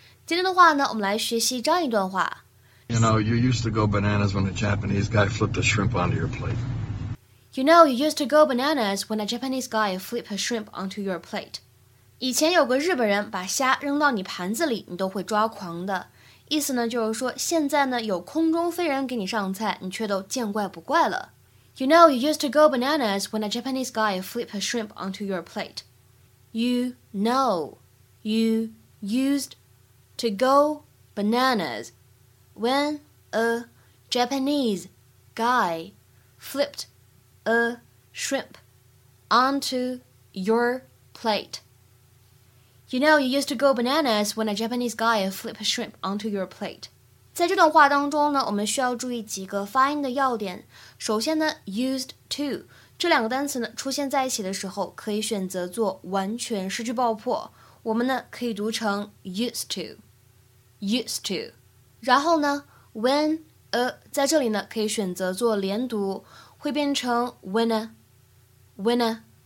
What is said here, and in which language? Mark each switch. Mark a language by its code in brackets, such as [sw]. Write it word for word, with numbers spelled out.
[zh] 今天的话呢，我们来学习这样一段话。 [en] You know, you used to go bananas when a Japanese guy flipped a shrimp onto your plate. You know, you used to go bananas when a Japanese guy flipped a shrimp onto your plate. [zh] 以前有个日本人把虾扔到你盘子里，你都会抓狂的。意思呢，就是说现在呢有空中飞人给你上菜，你却都见怪不怪了。 [en] You know, you used to go bananas when a Japanese guy flipped a shrimp onto your plate. You know, you used to go bananas when a Japanese guy flipped a shrimp onto your plate. You know, you used to go bananas when a Japanese guy flipped a shrimp onto your plate. [zh] 在这段话当中呢，我们需要注意几个发音的要点。首先呢 ，used to 这两个单词呢出现在一起的时候，可以选择做完全失去爆破，我们呢可以读成 [en] used to, used to。 [zh] 然后呢 ，when a 在这里呢可以选择做连读，会变成 [en] when a, when a。